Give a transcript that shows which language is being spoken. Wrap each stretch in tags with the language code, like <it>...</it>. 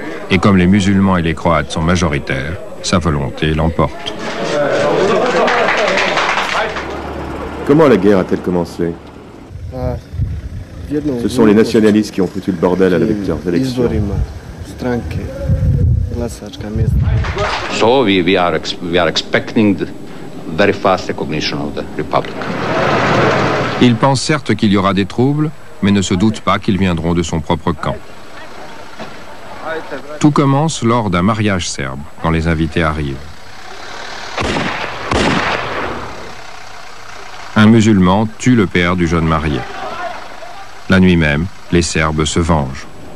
<fr>Et comme les musulmans et les croates sont majoritaires, sa volonté l'emporte. Comment la guerre a-t-elle commencé? Ce sont les nationalistes qui ont foutu le bordel à la victoire des élections.</fr> <en>So we are expecting very fast recognition of the republic.</en> <fr>Il pense certes qu'il y aura des troubles, mais ne se doute pas qu'ils viendront de son propre camp. Tout commence lors d'un mariage serbe, quand les invités arrivent. Un musulman tue le père du jeune marié. La nuit même, les Serbes se vengent.</fr>